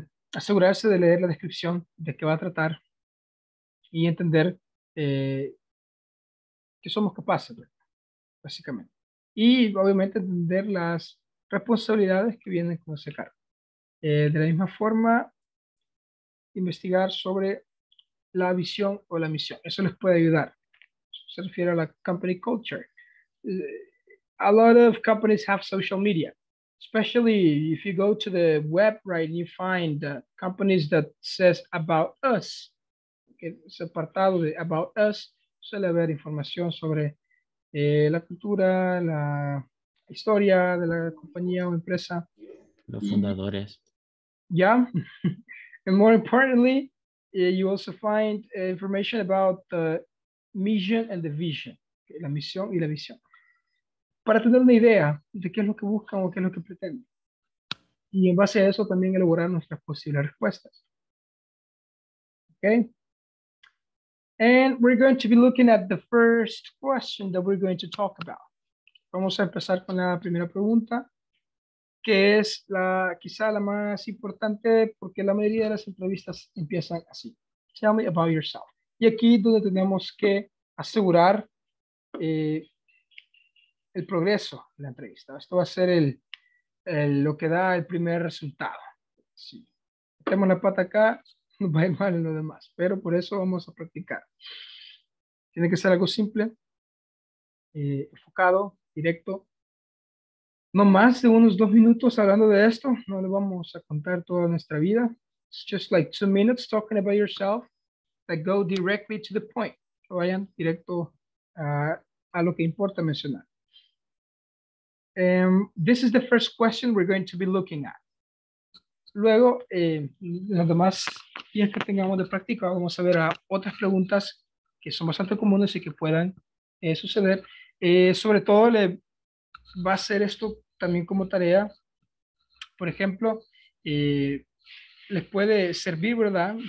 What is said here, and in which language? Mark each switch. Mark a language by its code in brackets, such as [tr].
[es] Asegurarse de leer la descripción de qué va a tratar y entender que somos capaces, ¿verdad? Básicamente. Y obviamente entender las responsabilidades que vienen con ese cargo. De la misma forma, investigar sobre la visión o la misión. Eso les puede ayudar. Se refiere a la company culture. [en] A lot of companies have social media, especially if you go to the web, right, and you find companies that says about us. [es] Okay, ese apartado de about us suele haber información sobre la cultura, la historia de la compañía o empresa. Los fundadores. Yeah. [en] And more importantly, you also find information about the mission and the vision. [es] Okay, la misión y la visión. Para tener una idea de qué es lo que buscan o qué es lo que pretenden. Y en base a eso también elaborar nuestras posibles respuestas. Okay. [en] And we're going to be looking at the first question that we're going to talk about. [es] Vamos a empezar con la primera pregunta, que es la quizá la más importante porque la mayoría de las entrevistas empiezan así. [en] Tell me about yourself. [es] Y aquí es donde tenemos que asegurar el progreso en la entrevista. Esto va a ser lo que da el primer resultado. Si metemos la pata acá, nos va a ir mal en lo demás, pero por eso vamos a practicar. Tiene que ser algo simple, enfocado, directo. No más de unos 2 minutos hablando de esto. No le vamos a contar toda nuestra vida. [en] It's just like 2 minutes talking about yourself that go directly to the point. [es] Que vayan directo a lo que importa mencionar. [en] This is the first question we're going to be looking at. [es] Luego, los demás días que tengamos de práctica, vamos a ver a otras preguntas que son bastante comunes y que puedan suceder. Sobre todo, le va a ser esto también como tarea. Por ejemplo, les puede servir, ¿verdad?